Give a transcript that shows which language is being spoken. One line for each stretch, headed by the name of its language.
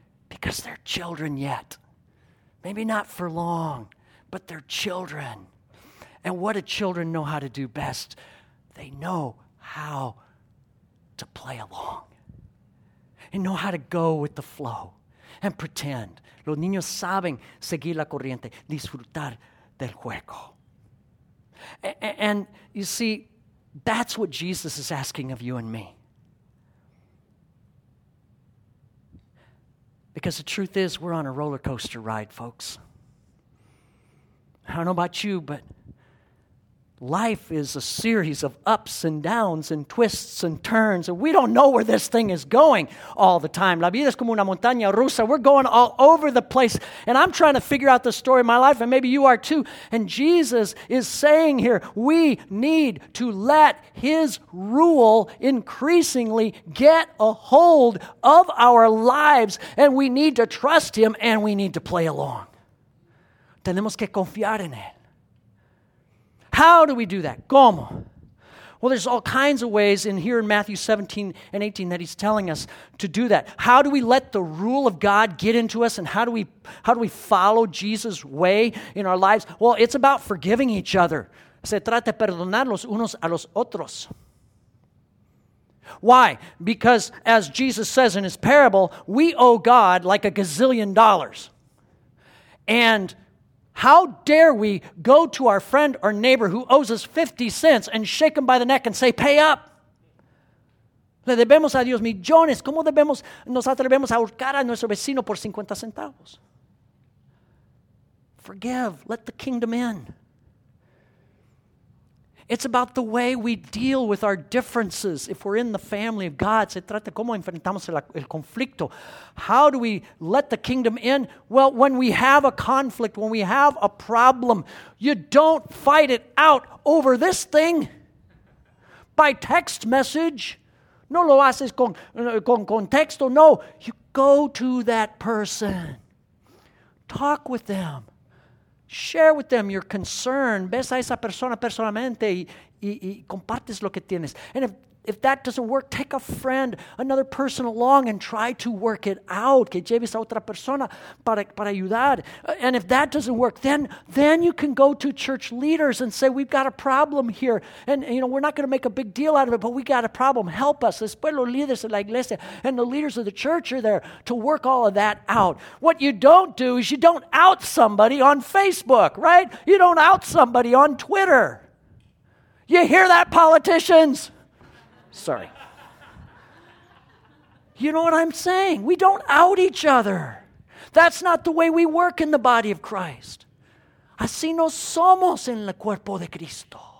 English: Because they're children yet. Maybe not for long, but they're children. And what do children know how to do best? They know how to play along and know how to go with the flow and pretend.
Spanish: Los niños saben seguir la corriente, disfrutar del juego.
English: And you see, that's what Jesus is asking of you and me. Because the truth is, we're on a roller coaster ride, folks. I don't know about you, but life is a series of ups and downs and twists and turns, and we don't know where this thing is going all the time.
Spanish: La vida es como una montaña rusa.
English: We're going all over the place, and I'm trying to figure out the story of my life, and maybe you are too. And Jesus is saying here, we need to let his rule increasingly get a hold of our lives, and we need to trust him, and we need to play along.
Spanish: Tenemos que confiar en él.
English: How do we do that?
Spanish: ¿Cómo?
English: Well, there's all kinds of ways in here in Matthew 17 and 18 that he's telling us to do that. How do we let the rule of God get into us, and how do we follow Jesus' way in our lives? Well, it's about forgiving each other.
Spanish: Se trata de perdonar los unos a los otros.
English: Why? Because as Jesus says in his parable, we owe God like a gazillion dollars. And how dare we go to our friend or neighbor who owes us 50 cents and shake him by the neck and say, pay up?
Spanish: Le debemos a Dios millones. ¿Cómo debemos nos atrevemos a ahorcar a nuestro vecino por 50 centavos?
English: Forgive. Let the kingdom in. It's about the way we deal with our differences. If we're in the family of God,
Spanish: se trata de cómo enfrentamos el conflicto.
English: How do we let the kingdom in? Well, when we have a conflict, when we have a problem, you don't fight it out over this thing by text message.
Spanish: No lo haces con texto.
English: No, you go to that person. Talk with them. Share with them your concern.
Spanish: Ves a esa persona personalmente y compartes lo que tienes.
English: And if that doesn't work, take a friend, another person along and try to work it out.
Spanish: Que lleves a otra persona para ayudar.
English: And if that doesn't work, then you can go to church leaders and say, we've got a problem here. And, you know, we're not going to make a big deal out of it, but we got a problem. Help us.
Spanish: Después los líderes de la iglesia
English: and the leaders of the church are there to work all of that out. What you don't do is you don't out somebody on Facebook, right? You don't out somebody on Twitter. You hear that, politicians? Sorry. You know what I'm saying? We don't out each other. That's not the way we work in the body of Christ.
Spanish: Así no somos en el cuerpo de Cristo.